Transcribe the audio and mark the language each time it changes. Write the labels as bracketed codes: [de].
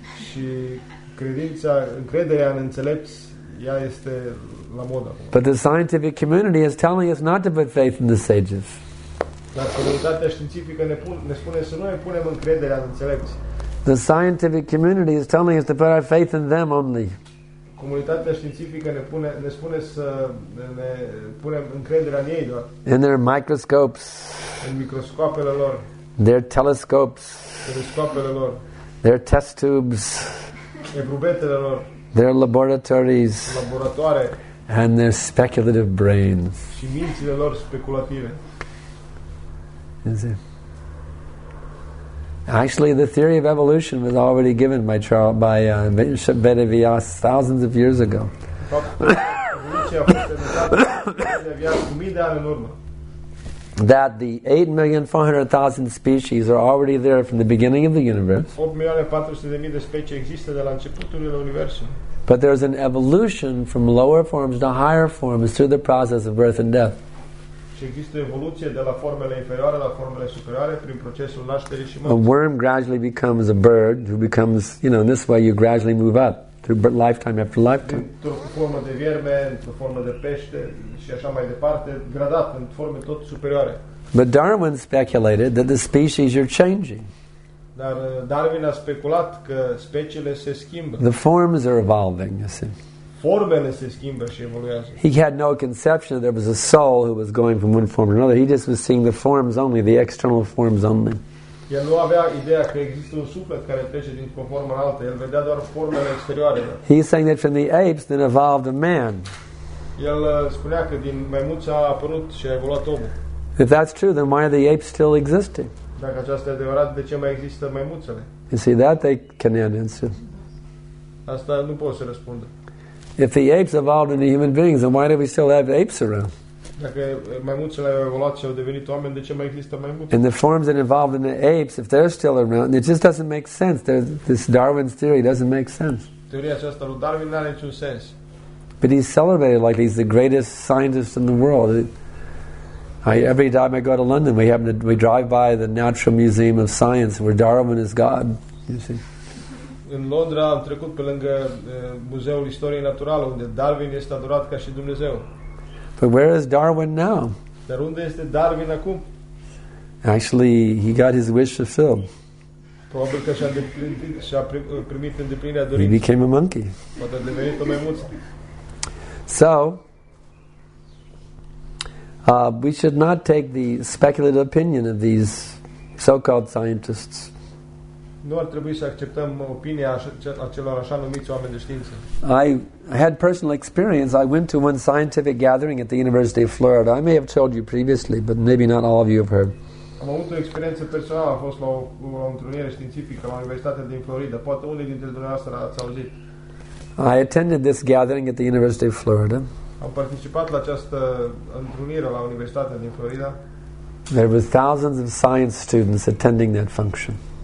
[ro] Și credința, încrederea în înțelepți. Ea este la modă. [en] But the scientific community is telling us not to put faith in the sages. [ro] Dar comunitatea științifică ne spune să nu ne punem încrederea în înțelepți. [en] The scientific community is telling us to put our faith in them only. [ro] Comunitatea științifică ne spune să ne punem încrederea în ei doar. [en] In their microscopes. [ro] În microscopele lor. [en] Their telescopes. [ro] Telescopele lor. [en] Their test tubes. [ro] Ebrubetele lor. [en] Their laboratories and their speculative brains. [ro] Și mințile lor speculative. [en] Actually, the theory of evolution was already given by Vedavyasa thousands of years ago. That the 8,400,000 species are already there from the beginning of the universe. [ro] 8,400,000 species există de la începutul universului. [en] But there's an evolution from lower forms to higher forms through the process of birth and death. [ro] și există evoluție de la formele inferioare la formele superioare prin procesul nașterii și [en] mărții. A worm gradually becomes a bird who becomes, you know, in this way you gradually move up through lifetime after lifetime. [ro] Într-o formă de vierme, într-o formă de pește și așa mai departe, gradat în forme tot superioare. [en] But Darwin speculated that the species are changing. [ro] Dar Darwin a speculat că speciile se schimbă. [en] The forms are evolving, you see. [ro] Formele se schimbă și evoluează. [en] He had no conception that there was a soul who was going from one form to another. He just was seeing the forms only, the external forms only. [ro] El nu avea ideea că există un suflet care trece dintr-o formă în alta. El vedea doar formele exterioare. [en] He's saying that from the apes then evolved a man. [ro] El spunea că din maimuță a apărut și a evoluat omul. [en] If that's true, then why are the apes still existing? [ro] Dacă aceasta e adevărat, de ce mai există maimuțele? [en] You see, that they can't answer. [ro] Asta nu pot să răspund. [en] If the apes evolved into human beings, then why do we still have apes around? [ro] Dacă maimuțele au evoluat și au devenit oameni, de ce mai există maimuțe? [en] And the forms that evolved into apes, if they're still around, it just doesn't make sense. There's, this Darwin's theory doesn't make sense. [ro] Teoria aceasta lui Darwin nu are niciun sens. [en] But he's celebrated like he's the greatest scientist in the world. Every time I go to London, we drive by the Natural Museum of Science, where Darwin is God. You see. [ro] În Londra am trecut pe lângă Muzeul Istoriei Naturale, unde Darwin este adorat ca și Dumnezeu. [en] But where is Darwin now? [ro] Dar unde este Darwin acum? [en] Actually, he got his wish fulfilled. [ro] Probabil că și-a primit îndeplinirea dorinței. [en] He became a monkey. [ro] Poate a devenit o maimuță. [en] So, we should not take the speculative opinion of these so-called scientists. [ro] Nu ar trebui să acceptăm opinia acelor așa numiți oameni de știință. [en] I had personal experience. I went to one scientific gathering at the University of Florida. I may have told you previously, but maybe not all of you have heard. [ro] Am avut o experiență personală. Am fost la o întrunire științifică la Universitatea din Florida. Poate unii dintre dumneavoastră ați auzit. [en] I attended this gathering at the University of Florida. [ro] Am participat la această întrunire la Universitatea din Florida. [en] There were thousands of science students attending that function.